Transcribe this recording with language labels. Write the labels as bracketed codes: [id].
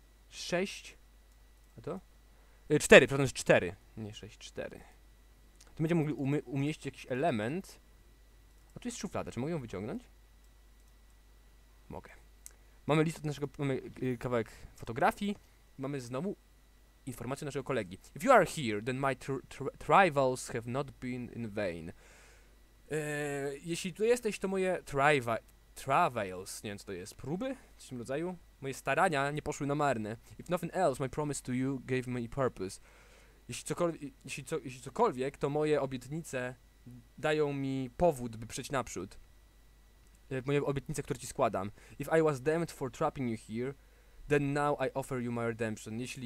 [pl] 6. A to? 4, przepraszam, 4. Nie 6, 4. Tu będziemy mogli umieścić jakiś element. A tu jest szuflada, czy mogę ją wyciągnąć? Mogę. Mamy list od naszego. Mamy kawałek fotografii. Mamy znowu informację naszego kolegi. [en] If you are here, then my trivials have not been in vain. [pl] Jeśli tu jesteś, to moje travails, nie wiem co to jest, próby? W tym rodzaju? Moje starania nie poszły na marne. If nothing else, my promise to you gave me purpose. Jeśli cokolwiek, to moje obietnice dają mi powód, by przejść naprzód. Moje obietnice, które ci składam. [en] If I was damned for trapping you here, then now I offer you my redemption.